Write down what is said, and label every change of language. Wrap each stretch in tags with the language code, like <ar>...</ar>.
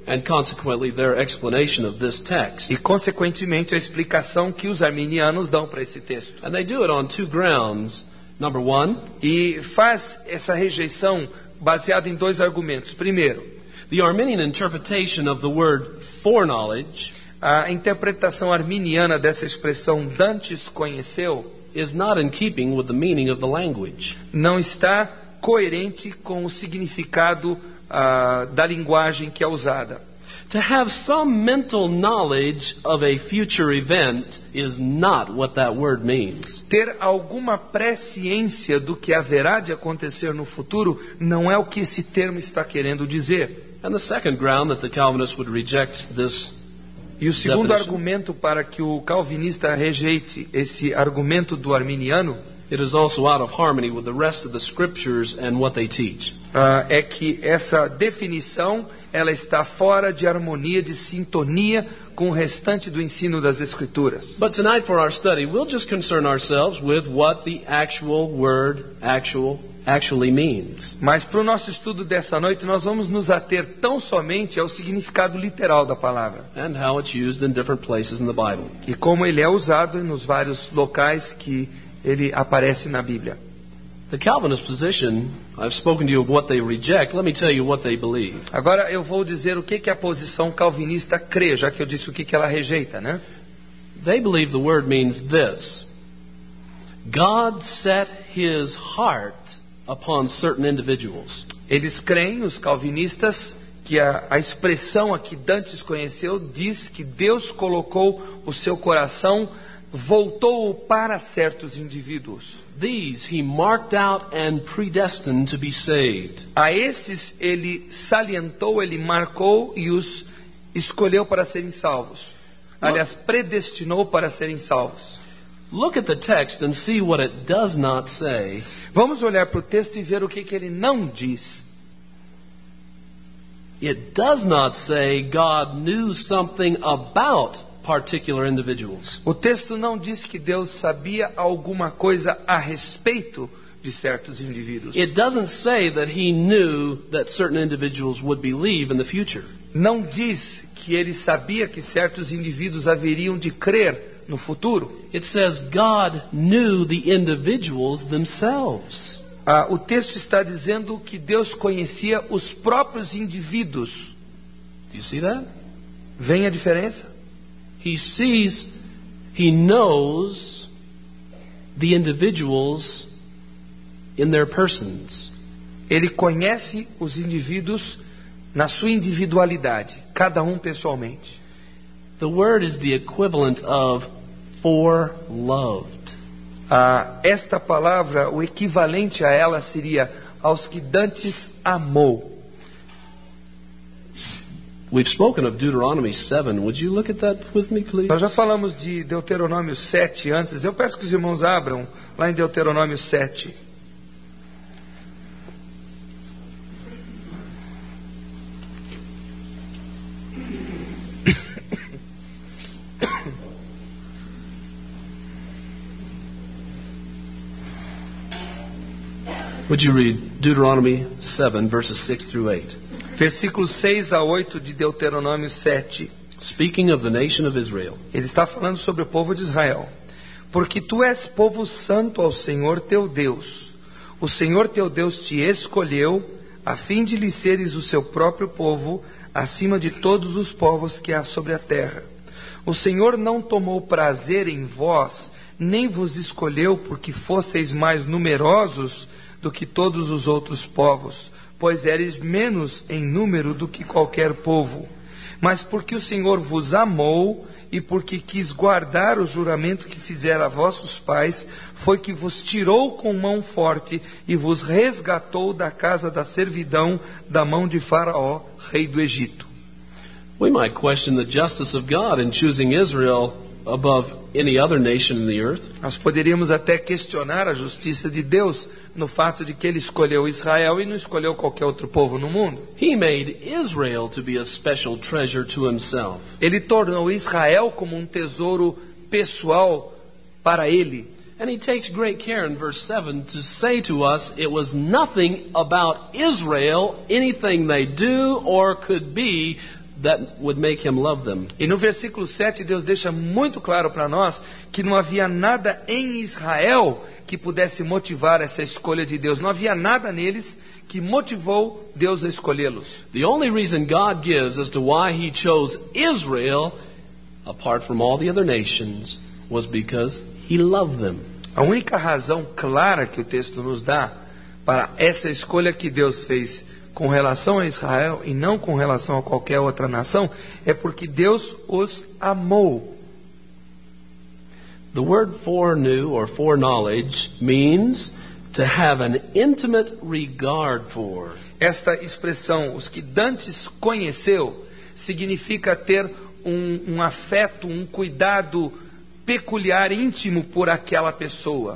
<en>And consequently their explanation of this text.</en> <pt>E consequentemente a explicação que os arminianos dão para esse texto.</pt> <en>And they do it on two grounds. Number one,</en> <pt>e faz essa rejeição baseada em dois argumentos. Primeiro,</pt> <en>the Arminian interpretation of the word foreknowledge,</en> <pt>a interpretação arminiana dessa expressão dantes conheceu,</pt> <en>is not in keeping with the meaning of the language.</en> <pt>Não está coerente com o significado da linguagem que é usada.</pt> <en>To have some mental knowledge of a future event is not what that word means.</en> <pt>Ter alguma presciência do que haverá de acontecer no futuro não é o que esse termo está querendo dizer.</pt> <en>And the second ground that the Calvinists would reject this.</en> <pt>E o segundo argumento para que o calvinista rejeite esse argumento do arminiano,</pt> <en>it is also out of harmony with the rest of the scriptures and what they teach.</en> <pt>É que essa definição, ela está fora de harmonia, de sintonia com o restante do ensino das escrituras.</pt> <en>But tonight for our study, we'll just concern ourselves with what the actual word actual actually means.</en> <pt>Mas para o nosso estudo dessa noite, nós vamos nos ater tão somente ao significado literal da palavra.</pt> <en>And how it's used in different places in the Bible.</en> <pt>E como ele é usado nos vários locais que ele aparece na Bíblia.</pt> <en>The Calvinist position, I've spoken to you of what they reject, let me tell you what they believe.</en> <pt>Agora eu vou dizer o que que a posição calvinista crê, já que eu disse o que que ela rejeita, né?</pt> <en>They believe the word means this. God set his heart upon certain individuals.</en> <pt>Eles creem, os calvinistas, que a expressão aqui Dantes conheceu diz que Deus colocou o seu coração, voltou para certos indivíduos.</pt> <en>These he marked out and predestined to be saved.</en> <pt>A esses ele salientou, ele marcou e os escolheu para serem salvos. Aliás, predestinou para serem salvos.</pt> <en>Look at the text and see what it does not say.</en> <pt>Vamos olhar para o texto e ver o que que ele não diz.</pt> <en>It does not say God knew something about particular individuals.</en> <pt>O texto não diz que Deus sabia alguma coisa a respeito de certos indivíduos.</pt> <en>It doesn't say that he knew that certain individuals would believe in the future.</en> <pt>Não diz que ele sabia que certos indivíduos haveriam de crer no futuro.</pt> <en>It says God knew the individuals themselves.</en> <pt>O texto está dizendo que Deus conhecia os próprios indivíduos.</pt> <en>Do you see that?</en> <pt>Vem a diferença?</pt> <en>He sees, he knows the individuals in their persons.</en> <pt>Ele conhece os indivíduos na sua individualidade, cada um pessoalmente.</pt> <en>The word is the equivalent of for loved.</en> <pt>Esta palavra, o equivalente a ela seria aos que Dantes amou.</pt> <en>We've spoken of Deuteronomy 7. Would you look at that with me, please?</en> <pt>Nós já falamos de Deuteronômio 7 antes. Eu peço que os irmãos abram lá em Deuteronômio 7.</pt> <en>Would you read Deuteronomy 7, verses 6 through 8?</en> <pt>Versículos 6 a 8 de Deuteronômio 7.</pt> <en>Speaking of the nation of Israel.</en> <pt>Ele está falando sobre o povo de Israel. Porque tu és povo santo ao Senhor teu Deus. O Senhor teu Deus te escolheu a fim de lhe seres o seu próprio povo acima de todos os povos que há sobre a terra. O Senhor não tomou prazer em vós, nem vos escolheu porque fosseis mais numerosos do que todos os outros povos, pois eres menos em número do que qualquer povo. Mas porque o Senhor vos amou e porque quis guardar o juramento que fizera a vossos pais, foi que vos tirou com mão forte e vos resgatou da casa da servidão da mão de Faraó, rei do Egito.</pt> <en>We might question the justice of God in choosing Israel above any other nation in the earth.</en> <pt>Nós poderíamos até questionar a justiça de Deus no fato de que ele escolheu Israel e não escolheu qualquer outro povo no mundo.</pt> <en>He made Israel to be a special treasure to himself.</en> <pt>Ele tornou Israel como um tesouro pessoal para ele.</pt> <en>And he takes great care in verse 7 to say to us it was nothing about Israel, anything they do or could be, that would make him love them.</en> <pt>E no versículo 7 Deus deixa muito claro para nós que não havia nada em Israel que pudesse motivar essa escolha de Deus. Não havia nada neles que motivou Deus a escolhê-los.</pt> <en>The only reason God gives as to why he chose Israel apart from all the other nations was because he loved them.</en> <pt>A única razão clara que o texto nos dá para essa escolha que Deus fez com relação a Israel e não com relação a qualquer outra nação é porque Deus os amou.</pt> <en>The word foreknew or foreknowledge means to have an intimate regard for.</en> <pt>Esta expressão, os que Dantes conheceu, significa ter um afeto, um cuidado peculiar, íntimo por aquela pessoa.</pt>